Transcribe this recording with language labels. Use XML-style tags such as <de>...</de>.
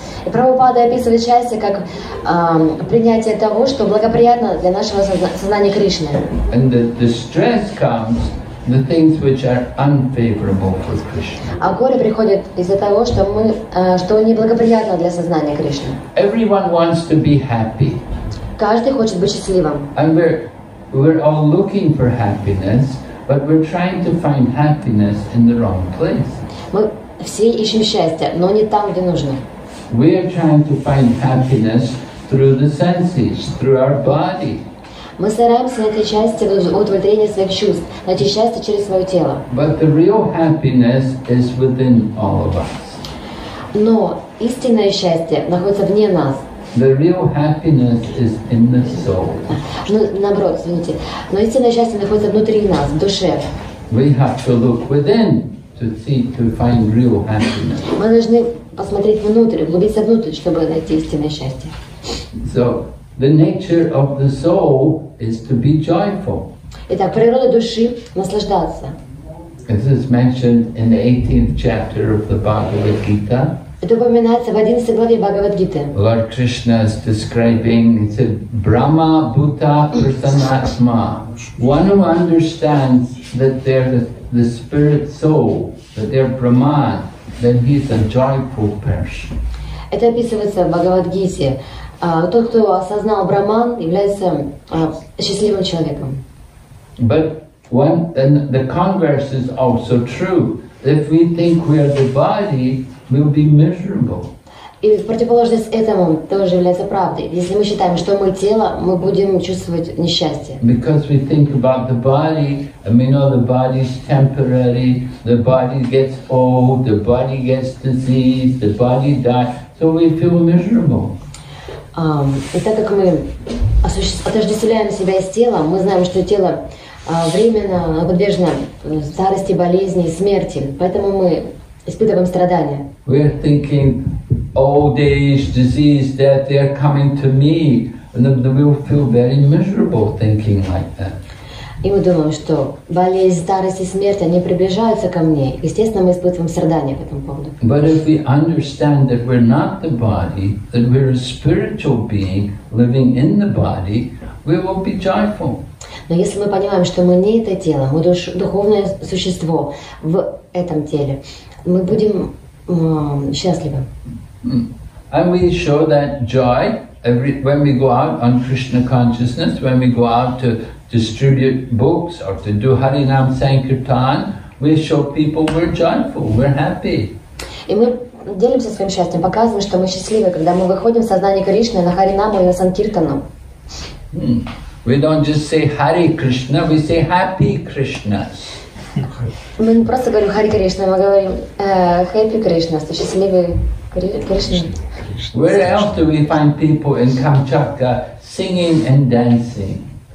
<ru>И Прабхупада описывает счастье как принятие того, что благоприятно для нашего сознания Кришны.</ru> <en>And the stress comes the things which are unfavorable for Krishna.</en> <ru>А горе приходит из-за того, что неблагоприятно для сознания Кришны.</ru> <en>Everyone wants to be happy.</en> <ru>Каждый хочет быть счастливым.</ru> <en>And we're all looking for happiness, but we're trying to find happiness in the wrong place.</en> <ru>Мы все ищем счастье, но не там, где нужно.</ru> <en>We are trying to find happiness through the senses, through our body.</en> <ru>Мы стараемся найти счастье в удовлетворении своих чувств, найти счастье через свое тело.</ru> <en>But the real happiness is within all of us.</en> <ru>Но истинное счастье находится вне нас.</ru> <en>The real happiness is in the soul.</en> <ru>Но истинное счастье находится внутри нас, в душе.</ru> <en>We have to look within to see to find real happiness.</en> <ru>Мы должны посмотреть внутрь, углубиться внутрь, чтобы найти истинное счастье.</ru> <en>So the nature of the soul is to be joyful.</en> <ru>Итак, природа души наслаждаться.</ru> <en>This is mentioned in the 18th chapter of the Bhagavad Gita.</en> <ru>Это упоминается в 11 главе Бхагавад-гиты.</ru> <en>Lord Krishna is describing the Brahma, Buddha, Prasannatma. One who understands that they're the spirit soul, that they're Brahman, then he's a joyful person.</en> <ru>Это описывается в Бхагавад-гите. Тот, кто осознал Брахман, является счастливым человеком.</ru> <en>But when then the converse is also true. If we think we are the body, we'll be miserable.</en> <ru>И в противоположность этому тоже является правдой. Если мы считаем, что мы тело, мы будем чувствовать несчастье.</ru> <en>Because we think about the body, and we know the body is temporary, the body gets old, the body gets diseased, the body dies, so we feel miserable.</en> <ru>И так как мы отождествляем себя с телом, мы знаем, что тело временно подвержено старости, болезни, смерти, поэтому мы испытываем страдания.</ru> <en>We're thinking old age, disease, that they're coming to me, and then we'll feel very miserable thinking like that.</en> <ru>И мы думаем, что болезнь, старость и смерть, они приближаются ко мне. Естественно, мы испытываем страдания по этому поводу.</ru> <en>But if we understand that we're not the body, that we're a spiritual being living in the body, we will be joyful.</en> <ru>Но если мы понимаем, что мы не это тело, мы духовное существо в этом теле, мы будем счастливы.</ru> <en>And we show that joy when we go out on Krishna consciousness, when we go out to distribute books or to do Harinam Sankirtan, we show people we're joyful, we're happy.</en> <ru>И мы делимся своим счастьем, показываем, что мы счастливы, когда мы выходим в сознание Кришны на Харинаму и на Санкиртану.</ru> <en>We don't just say Hare Krishna, we say Happy Krishna.</en> <ru>Мы не просто говорим Hare Krishna, мы говорим</ru> <en>Happy Krishna,</en> <ru>счастливый Krishna.</ru> <en>Where else do we find people in Kamchatka singing and dancing?</en>